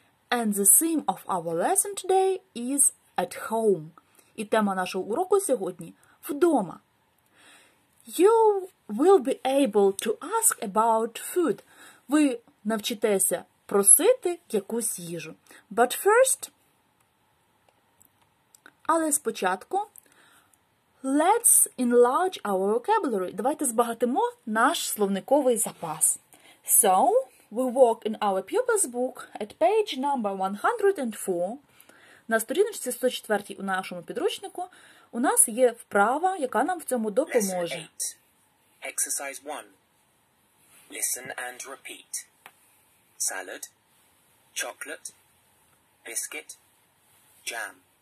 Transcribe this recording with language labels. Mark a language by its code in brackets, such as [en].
[en] And the theme of our lesson today is at home. [uk] І тема нашого уроку сьогодні – вдома. [en] You will be able to ask about food. [uk] Ви навчитеся просити якусь їжу. [en] But first, [uk] але спочатку, [en] let's enlarge our vocabulary. [uk] Давайте збагатимо наш словниковий запас. [en] So, we walk in our pupil's book at page number 104. [uk] На сторіночці 104 у нашому підручнику у нас є вправа, яка нам в цьому допоможе. [en] Exercise 1. Listen and repeat. Salad, chocolate, biscuit, jam.